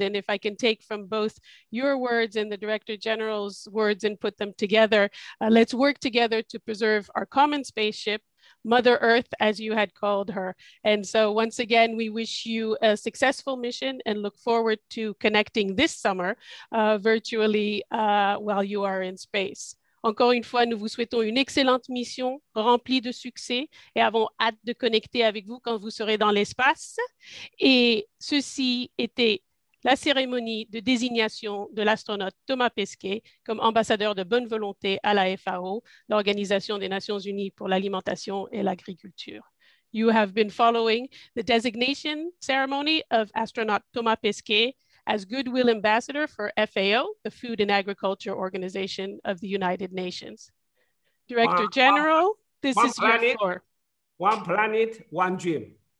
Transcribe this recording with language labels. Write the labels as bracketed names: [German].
[English] And if I can take from both your words and the Director General's words and put them together, let's work together to preserve our common spaceship, Mother Earth, as you had called her. And so once again, we wish you a successful mission and look forward to connecting this summer virtually while you are in space. [French] Encore une fois, nous vous souhaitons une excellente mission remplie de succès et avons hâte de connecter avec vous quand vous serez dans l'espace. Et ceci était la cérémonie de désignation de l'astronaute Thomas Pesquet comme ambassadeur de bonne volonté à la FAO, l'Organisation des Nations Unies pour l'Alimentation et l'Agriculture. [English] You have been following the designation ceremony of astronaut Thomas Pesquet as Goodwill Ambassador for FAO, the Food and Agriculture Organization of the United Nations. Director General, this is planet, your floor. One planet, one dream.